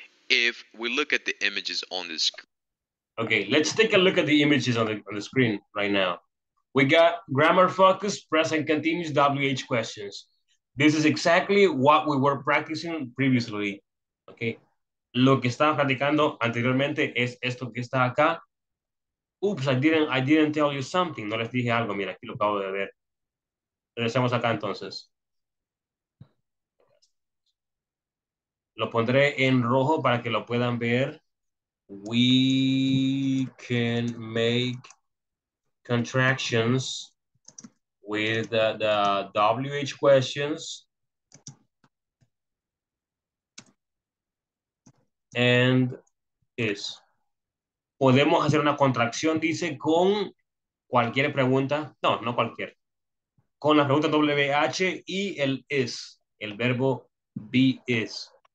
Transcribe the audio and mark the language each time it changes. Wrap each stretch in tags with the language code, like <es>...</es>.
<en>If we look at the images on the screen. Okay, let's take a look at the images on the screen right now. We got grammar focus, present continuous WH questions. This is exactly what we were practicing previously, okay?</en> <es>Lo que estaba practicando anteriormente es esto que está acá.</es> <en>Oops, I didn't tell you something.</en> <es>No les dije algo, mira, aquí lo acabo de ver. Regresemos acá entonces. Lo pondré en rojo para que lo puedan ver.</es> <en>We can make contractions with the WH questions and is.</en> <es>Podemos hacer una contracción, dice, con cualquier pregunta. No, no cualquier. Con la pregunta WH y el is, el verbo be is.</es>